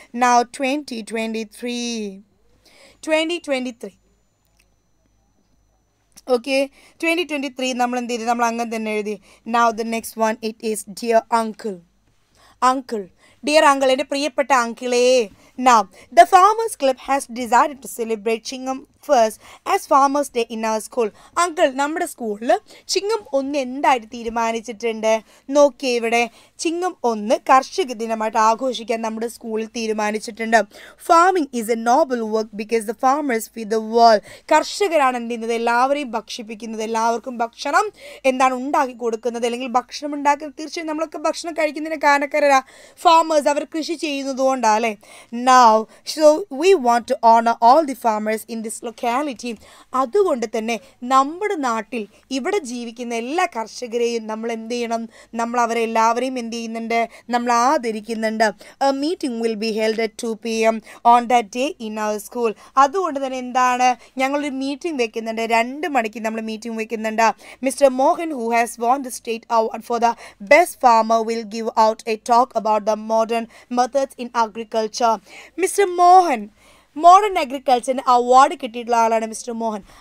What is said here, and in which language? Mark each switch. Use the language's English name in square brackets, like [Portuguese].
[Malayalam] Now 2023 നമ്മൾ എന്ത് ചെയ്തു? നമ്മൾ അങ്ങനെ തന്നെ എഴുതി. [English] Now the next one, it is dear uncle. Uncle, dear uncle, [Malayalam] എൻ്റെ പ്രിയപ്പെട്ട അങ്കിളേ. [English] Now, the Farmers Club has decided to celebrate Chingam 1st as Farmers Day in our school. [Malayalam] Uncle, നമ്മുടെ സ്കൂളിൽ ചിങ്ങം ഒന്ന് എന്തായിട്ട് തീരുമാനിച്ചിട്ടുണ്ട്? നോക്കിയേ, ഇവിടെ ചിങ്ങം ഒന്ന് കർഷക ദിനമായിട്ട് ആഘോഷിക്കാൻ നമ്മുടെ സ്കൂളിൽ തീരുമാനിച്ചിട്ടുണ്ട്. [English] Farming is a noble work because the farmers feed the world. [Malayalam] കർഷകരാണ് എന്ത് ചെയ്യുന്നത്? എല്ലാവരെയും ഭക്ഷിപ്പിക്കുന്നത്, എല്ലാവർക്കും ഭക്ഷണം എന്താണ് ഉണ്ടാക്കി കൊടുക്കുന്നത്, അല്ലെങ്കിൽ ഭക്ഷണം ഉണ്ടാക്കുന്നത്. തീർച്ചയായും നമ്മളൊക്കെ ഭക്ഷണം കഴിക്കുന്നതിന് കാരണക്കാരാ ഫാമേഴ്സ്, അവർ കൃഷി ചെയ്യുന്നതുകൊണ്ടാണ് അല്ലേ. [English] Now, so we want to honor all the farmers in this locality. [Malayalam] അതുകൊണ്ട് തന്നെ നമ്മുടെ നാട്ടിൽ ഇവിടെ ജീവിക്കുന്ന എല്ലാ കർഷകരെയും നമ്മൾ എന്ത് ചെയ്യണം? നമ്മൾ അവരെല്ലാവരെയും എന്ത് ചെയ്യുന്നുണ്ട്? നമ്മൾ ആദരിക്കുന്നുണ്ട്. [English] A meeting will be held at 2 PM on that day in our school. [Malayalam] അതുകൊണ്ട് തന്നെ എന്താണ്? ഞങ്ങളൊരു മീറ്റിംഗ് വെക്കുന്നുണ്ട്, 2 മണിക്ക് നമ്മൾ മീറ്റിംഗ് വെക്കുന്നുണ്ട്. [English] Mister Mohan, who has won the state award for the best farmer, will give out a talk about the modern methods in agriculture. [Malayalam] Mister Mohan modern അഗ്രികൾച്ചറിന് award കിട്ടിയിട്ടുള്ള ആളാണ് മിസ്റ്റർ മോഹൻ.